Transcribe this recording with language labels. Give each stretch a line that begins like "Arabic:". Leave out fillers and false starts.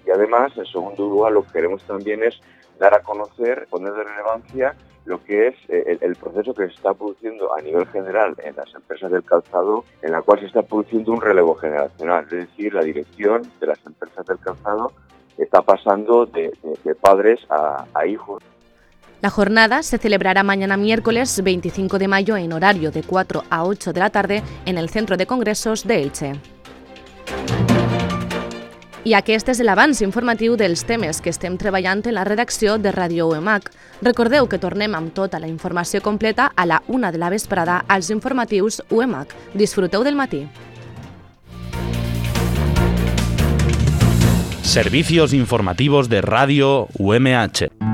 Spanish: Y además, en segundo lugar, lo que queremos también es dar a conocer, poner de relevancia lo que es el proceso que se está produciendo a nivel general en las empresas del calzado, en la cual se está produciendo un relevo generacional, es decir, la dirección de las empresas del calzado está pasando de padres a hijos. La jornada se celebrará mañana miércoles 25 de mayo en horario de 4 a 8 de la tarde en el Centro de Congresos de Elche.
Catalan: I aquest és l'avanç informatiu dels temes que estem treballant en la redacció de Radio UMH. Recordeu que tornem amb tota la informació completa a la 1 de la vesprada als informatius UMH. Disfruteu del matí.
Spanish: Servicios informativos de Radio UMH.